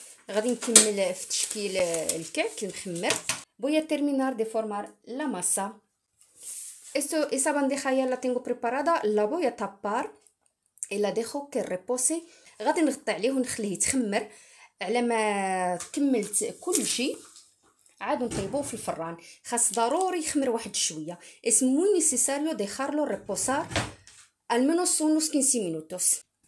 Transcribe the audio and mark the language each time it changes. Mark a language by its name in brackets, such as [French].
[Arabic] غادي نكمل في تشكيل الكعك المخمر. [Spanish] voy a terminar de formar la masa. esa bandeja ya la tengo preparada, la voy a tapar y la dejo que repose. [Arabic] غادي نغطي عليه ونخليه يتخمر على ما كملت كل شيء. عاد نطيبوه في الفران. خاص ضروري يخمر واحد شويه. [Spanish] es muy necesario dejarlo reposar al menos unos 15 minutos.